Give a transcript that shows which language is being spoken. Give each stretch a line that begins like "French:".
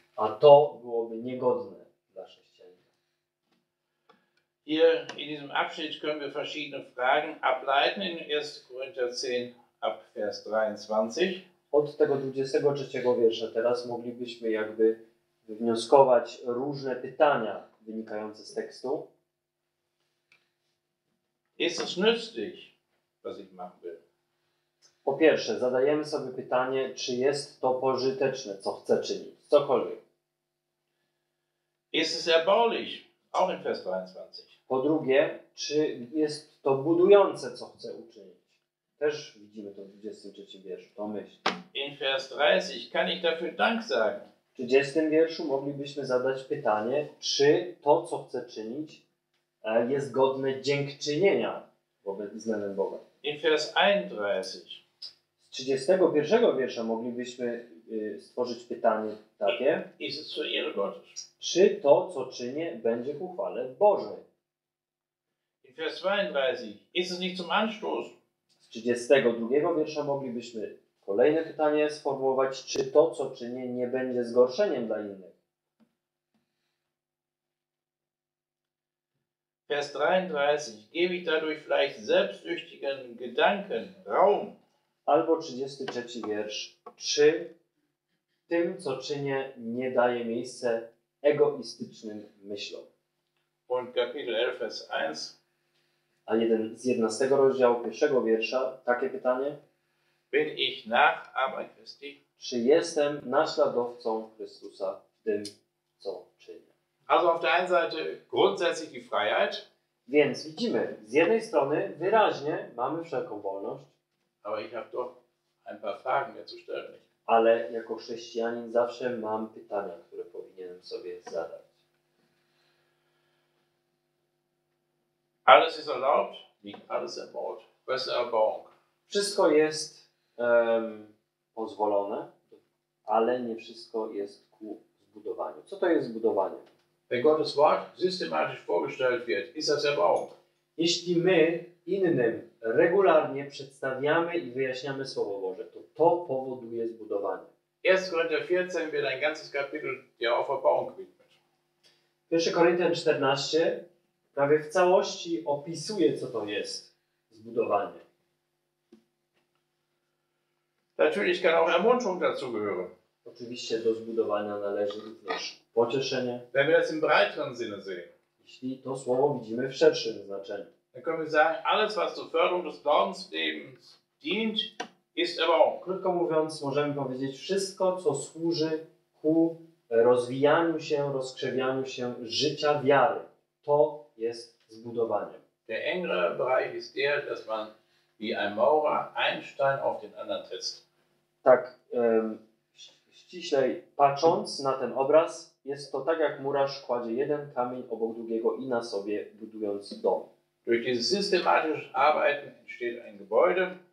Polish: A to byłoby niegodne dla chrześcijanina.
German: Hier in diesem Abschnitt können wir verschiedene Fragen ableiten in 1. Korinther 10 ab Vers 23.
Polish: Od tego 23 wiersza teraz moglibyśmy jakby wywnioskować różne pytania wynikające z tekstu.
German: Ist es nützlich, was ich machen will?
Polish: Po pierwsze, zadajemy sobie pytanie, czy jest to pożyteczne, co chcę czynić, cokolwiek.
German: Ist es erbaulich, auch in Vers 22.
Polish: Po drugie, czy jest to budujące, co chcę uczynić? Też widzimy to w 23 wierszu, to myśl.
German: In Vers 30 kann ich dafür Dank sagen.
Polish: W 30 wierszu moglibyśmy zadać pytanie, czy to, co chcę czynić, jest godne dziękczynienia wobec względem Boga.
German: In Vers 31.
Polish: Z 31 wiersza moglibyśmy stworzyć pytanie takie.
German: Ist es zur Ehre Gottes?
Polish: Czy to, co czynię, będzie ku chwale Bożej?
German: In Vers 32. Ist es nicht zum Anstoß?
Polish: Z 32 wiersza moglibyśmy Kolejne pytanie sformułować, czy to, co czynię, nie będzie zgorszeniem dla innych.
German: Vers 33. Gebe ich dadurch vielleicht selbstsüchtigen Gedanken Raum.
Polish: Albo 33 wiersz. Czy tym, co czynię, nie daje miejsce egoistycznym myślom.
German: Und Kapitel 11, Vers 1.
Polish: A jeden z 11 rozdziału pierwszego wiersza, takie pytanie.
German: Bin ich Nachahmer Christi?
Polish: Czy jestem naśladowcą Chrystusa w tym, co czynię?
German: Also auf der einen Seite grundsätzlich die Freiheit.
Polish: Więc widzimy, z jednej strony wyraźnie mamy wszelką wolność.
German: Aber ich habe doch ein paar Fragen mehr zu stellen.
Polish: Ale jako chrześcijanin zawsze mam pytania, które powinienem sobie zadać.
German: Alles ist erlaubt, nicht alles erbaut. Beste Erbauung.
Polish: Wszystko jest pozwolone, ale nie wszystko jest ku zbudowaniu. Co to jest zbudowanie?
German: Wenn Gottes Wort systematisch vorgestellt wird, ist das Erbauung.
Polish: Jeśli my innym regularnie przedstawiamy i wyjaśniamy Słowo Boże, to to powoduje zbudowanie.
German: 1 Korinther 14 wird ein ganzes Kapitel der Aufbauung gewidmet.
Polish: 1 Korinther 14 prawie w całości opisuje, co to jest zbudowanie.
German: Natürlich kann auch Ermunterung dazu gehören.
Polish: Oczywiście do zbudowania należy również pocieszenie.
German: Wenn wir das im breiteren Sinne sehen.
Polish: Jeśli to słowo widzimy w szerszym znaczeniu.
German: Dann können wir sagen, alles, was zur Förderung des Glaubenslebens dient, ist Erbauung.
Polish: Krótko mówiąc, możemy powiedzieć, wszystko, co służy ku rozwijaniu się, rozkrzewianiu się życia wiary, to jest zbudowaniem.
German: Der engere Bereich ist der, dass man wie ein Maurer einen Stein auf den anderen setzt.
Polish: Tak, ściślej patrząc na ten obraz, jest to tak, jak murarz kładzie jeden kamień obok drugiego i na sobie budując dom.
German: Durch dieses systematische Arbeiten entsteht ein Gebäude.